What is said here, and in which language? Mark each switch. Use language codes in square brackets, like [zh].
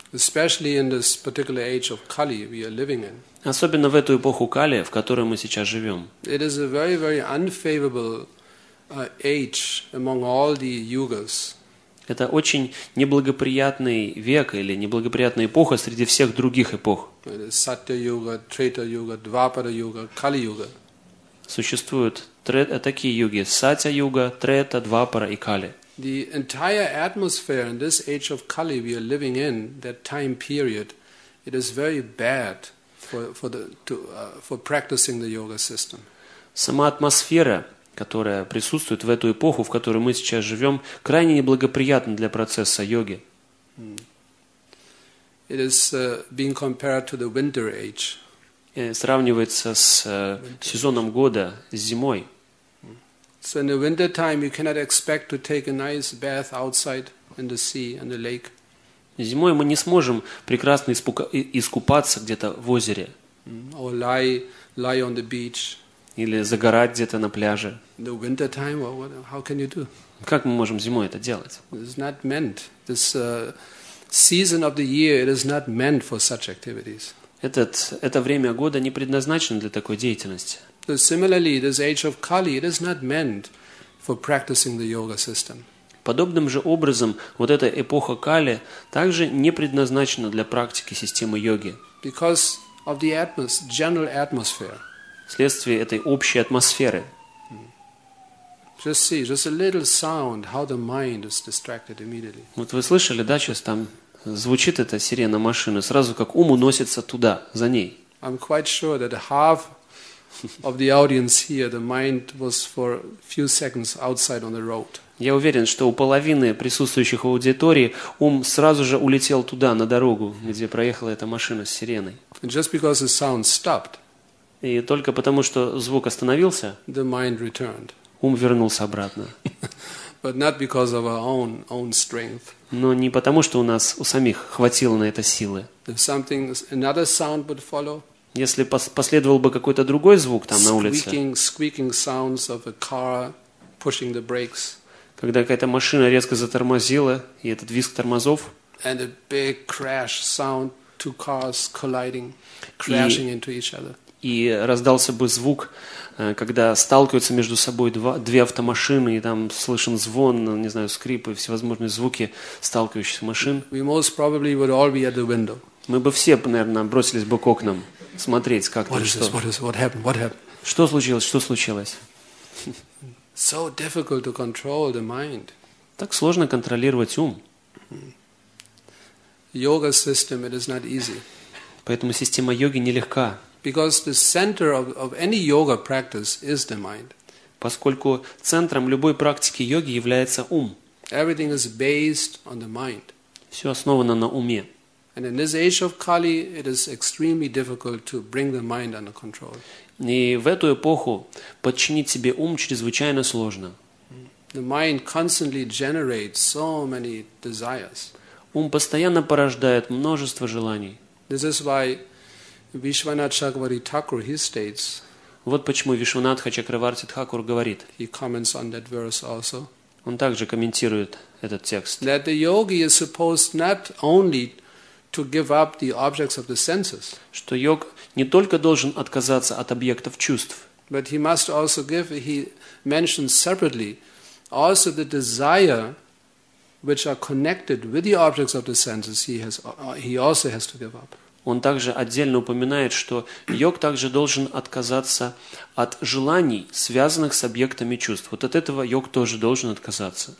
[en] Especially in this particular age of Kali we are living in. [ru] Особенно в эту эпоху Кали, в которой мы сейчас живем. [en] It is a very, very unfavorable age among all the yugas. [ru] Это очень неблагоприятный век или неблагоприятная эпоха среди всех других эпох. Сатья-юга, Трета-юга, Двапара-юга, Кали-юга. Существуют такие юги: Сатья-юга, Трета, Двапара и Кали. [en] The entire atmosphere in this age of Kali we are living in, that time period, it is very bad for practicing the yoga system. [ru] Сама атмосфера, которая присутствует в эту эпоху, в которой мы сейчас живем, крайне неблагоприятна для процесса йоги. [en] It is being compared to the winter age. [ru] Сравнивается с сезоном года, с зимой. [en] So in the winter time you cannot expect to take a nice bath outside in the sea and the lake. [ru] Зимой мы не сможем прекрасно искупаться где-то в озере. [en] Or lie on the beach. [ru] Или загорать где-то на пляже. [en] The winter time, well, what, how can you do? [ru] Как мы можем зимой это делать? [en] It is not meant. This season of the year, it is not meant for such activities. [ru] Это время года не предназначено для такой деятельности. [en] So similarly, this age of Kali, it is not meant for practicing the yoga system. [ru] Подобным же образом, вот эта эпоха Кали также не предназначена для практики системы йоги. [en] Because of the general atmosphere. [ru] Вследствие этой общей атмосферы. [en] Just see, just a little sound, how the mind is distracted immediately. [ru] Вот вы слышали, да, сейчас там звучит эта сирена машины, сразу как ум уносится туда, за ней. [en] I'm quite sure that half of the audience here, the mind was for a few seconds outside on the road. [ru] Я уверен, что у половины присутствующих в аудитории ум сразу же улетел туда, на дорогу, где проехала эта машина с сиреной. [en] And just because the sound stopped, [ru] и только потому, что звук остановился, [en] the mind returned. [ru] Ум вернулся обратно. [en] But not because of our own strength. [ru] Но не потому, что у нас у самих хватило на это силы. [en] If something, another sound would follow, [ru] если последовал бы какой-то другой звук там на улице, [en] squeaking sounds of a car pushing the brakes, [ru] когда какая-то машина резко затормозила, и этот визг тормозов, [en] and a big crash sound, two cars colliding, crashing into each other. [ru] И раздался бы звук, когда сталкиваются между собой две автомашины, и там слышен звон, не знаю, скрип и всевозможные звуки сталкивающихся машин. [en] We most probably would all be at the window. [ru] Мы бы все, наверное, бросились бы к окнам смотреть, как там что. [en] What happened? [ru] Что случилось? Что случилось? [en] So difficult to control the mind. [ru] Так сложно контролировать ум. [en] Yoga system, it is not easy. [ru] Поэтому система йоги нелегка. [en] Because the center of any yoga practice is the mind. [ru] Поскольку центром любой практики йоги является ум. [en] Everything is based on the mind. [ru] Все основано на уме. [en] And in this age of Kali, it is extremely difficult to bring the mind under control. [ru] И в эту эпоху подчинить себе ум чрезвычайно сложно. [en] The mind constantly generates so many desires. [ru] Ум постоянно порождает множество желаний. [en] This is why Vishwanath Chakravarti Thakur, he states. [ru] Вот почему Вишванатха Чакраварти Тхакур говорит. [en] He comments on that verse also. [ru] Он также комментирует этот текст. [en] That the yogi is supposed not only to give up the objects of the senses. [ru] Что йог не только должен отказаться от объектов чувств. [en] But he must also give. He mentions separately also the desire which are connected with the objects of the senses. He also has to give up. [ru] Он также отдельно упоминает, что йог также должен отказаться от желаний, связанных с объектами чувств. Вот от этого йог тоже должен отказаться.